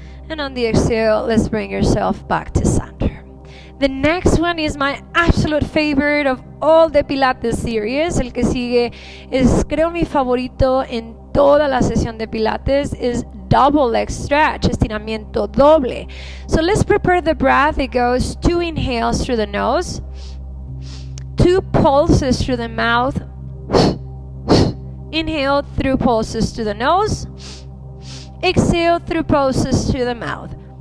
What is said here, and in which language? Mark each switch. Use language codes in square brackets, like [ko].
[en] And on the exhale, let's bring yourself back to center. The next one is my absolute favorite of all the Pilates series. [es] El que sigue es, creo, mi favorito en toda la sesión de Pilates, [en] is double leg stretch, [es] estiramiento doble. [en] So let's prepare the breath. It goes two inhales through the nose, two pulses through the mouth. Inhale, three pulses through the nose. Exhale, three pulses through the mouth.